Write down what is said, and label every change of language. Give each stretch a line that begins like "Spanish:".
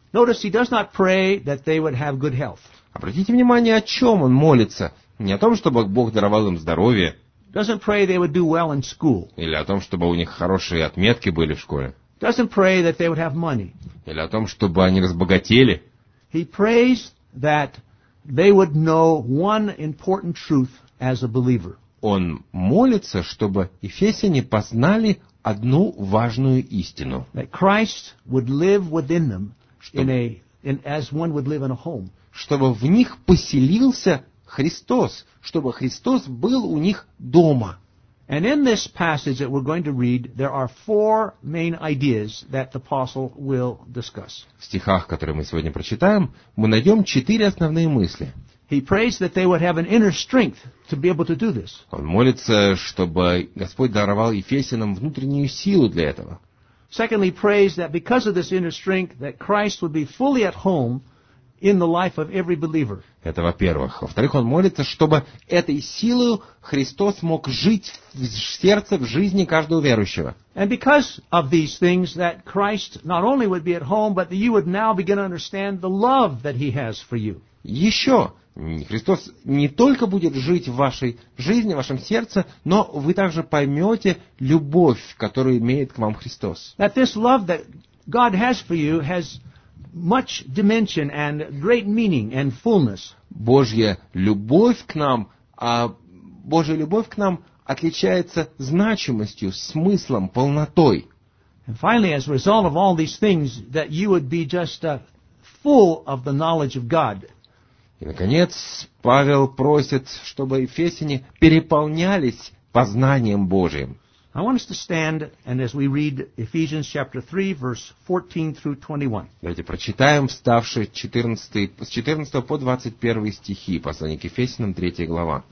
English: Notice he does not pray that they would have good health.
Russian: Обратите внимание, о чем он молится. Не о том, чтобы Бог даровал им здоровье.
English: Doesn't pray they would do well in school.
Russian: Или о том, чтобы у них хорошие отметки были в школе.
English: Doesn't pray that they would have money.
Russian: Или о том, чтобы они разбогатели.
English: He prays that they would know one important truth as a believer.
Russian: Он молится, чтобы эфесяне познали одну важную истину.
English: That Christ would live within them. As one would live in a home.
Russian: Чтобы в них поселился Христос, чтобы Христос был у них дома.
English: And in this passage that we're going to read, there are four main ideas that the apostle will discuss.
Russian: В стихах, которые мы сегодня прочитаем, мы найдем четыре основные мысли.
English: He prays that they would have an inner strength to be able to do this.
Russian: Он молится, чтобы Господь даровал Ефесянам внутреннюю силу для этого.
English: Secondly, prays that because of this inner strength, that Christ would be fully at home in the life of every believer.
Russian: Это во-первых. Во-вторых, он молится, чтобы этой силою Христос мог жить в сердце, в жизни каждого верующего.
English: And because of these things, that Christ not only would be at home, but that you would now begin to understand the love that He has for you.
Russian: Еще. Христос не только будет жить в вашей жизни, в вашем сердце, но вы также поймете любовь, которую имеет к вам Христос.
English: That this love that God has for you has much dimension and great meaning and fullness.
Russian: Божья любовь к нам отличается значимостью, смыслом, полнотой.
English: And finally, as a result of all these things, that you would be just full of the knowledge of God.
Russian: И, наконец, Павел просит, чтобы эфесяне переполнялись познанием Божьим.
English: I want us to stand, and as we read Ephesians chapter 3, verse 14 through 21.
Russian: Давайте прочитаем, вставшие с 14 по 21 стихи, послание к Ефесянам, 3 глава.